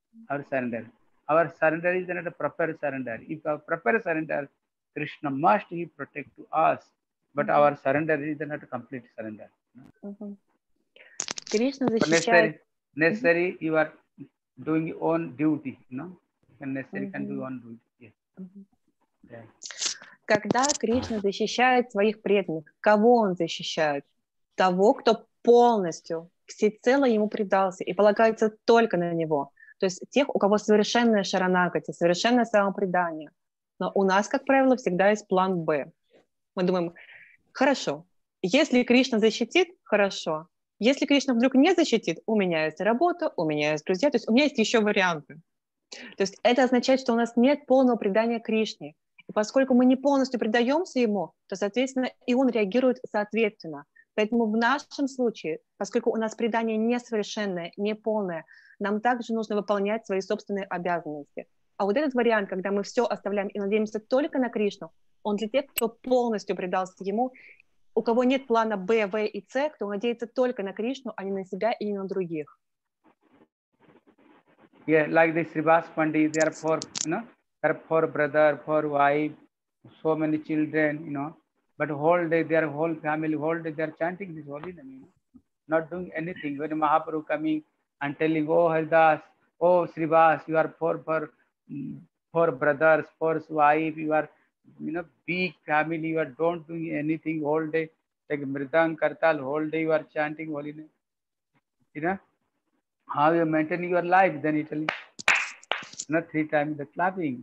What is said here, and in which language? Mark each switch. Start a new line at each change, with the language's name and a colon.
English: Our surrender is not a proper surrender. If a proper surrender, Krishna must he protect to us. But our surrender is not a complete surrender.
Russian: Krishna защищает.
English: Necessary, you are doing your own duty, no? And necessary can do your own duty. Yes. Yeah.
Russian: Когда Кришна защищает своих преданных, кого он защищает? Того, кто полностью, всецело ему предался и полагается только на него. То есть тех, у кого совершенная шаранагати, совершенное самопредание. Но у нас, как правило, всегда есть план Б. Мы думаем... Хорошо. Если Кришна защитит, хорошо. Если Кришна вдруг не защитит, у меня есть работа, у меня есть друзья, то есть у меня есть еще варианты. То есть это означает, что у нас нет полного предания Кришне. И поскольку мы не полностью предаемся ему, то, соответственно, и он реагирует соответственно. Поэтому в нашем случае, поскольку у нас предание несовершенное, неполное, нам также нужно выполнять свои собственные обязанности. А вот этот вариант, когда мы все оставляем и надеемся только на Кришну, он для тех, кто полностью предался ему, у кого нет плана Б, В и С, кто надеется только на Кришну, а не на себя и не на других.
English: Yeah, like this Srivas Pandi, there are four, you know, there are four brother, four wife, so many children, you know, but whole day, their whole family, whole day, they are chanting this holy name, you know, not doing anything. When Mahaprabhu coming and telling, oh, Haridas, oh, Srivas, you are four brothers, four wife, you are, you know, big family, you are don't doing anything all day, like mridang kartal, all day you are chanting holy name, you know, how you maintain your life, then it will, you know, three times the clapping.